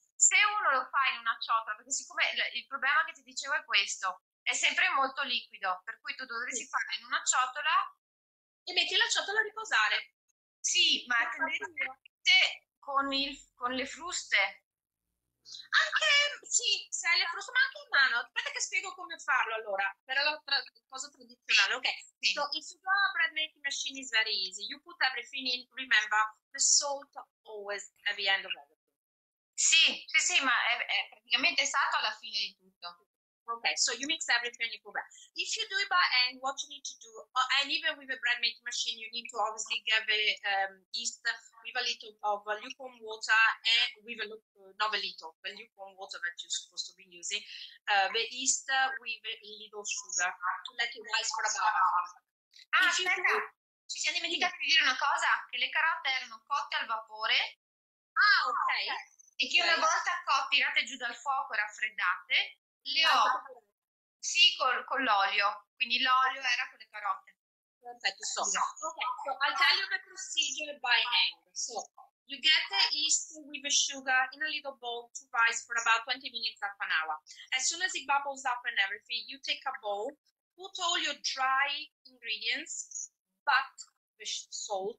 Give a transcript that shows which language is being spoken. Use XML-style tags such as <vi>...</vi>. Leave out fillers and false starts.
<it>Se uno lo fa in una ciotola, perché siccome il problema che ti dicevo è questo, è sempre molto liquido, per cui tu dovresti farlo in una ciotola e metti la ciotola a riposare. Sì, ma tendenzialmente con le fruste. Anche sì, se hai le fruste, ma anche in mano. Aspetta che spiego come farlo allora, per la cosa tradizionale.</it> <en>Ok, sì. So, if you want a bread making machine is very easy. You put everything in, remember, the salt always at the end of it.</en> <it>Sì, sì, sì, ma è praticamente stato alla fine di tutto.</it> <en>Ok, so you mix everything you put. If you do it by hand, what you need to do, and even with a bread making machine, you need to obviously give a yeast with a little of lukewarm water and with a not a little, but lukewarm water that you're supposed to be using, the yeast with a little sugar to let it rise for about.</en> <it>Ci siamo dimenticati di dire una cosa, che le carote erano cotte al vapore. Ah, ok. E che una volta tirate giù dal fuoco e raffreddate, le ho sì con l'olio, quindi l'olio era con le carote. Perfetto, so. No.</it> <en>Okay, so I'll tell you the procedure by hand. So you get the yeast with the sugar in a little bowl to rise for about 20 minutes, half an hour. As soon as it bubbles up and everything, you take a bowl, put all your dry ingredients, but the salt,</en>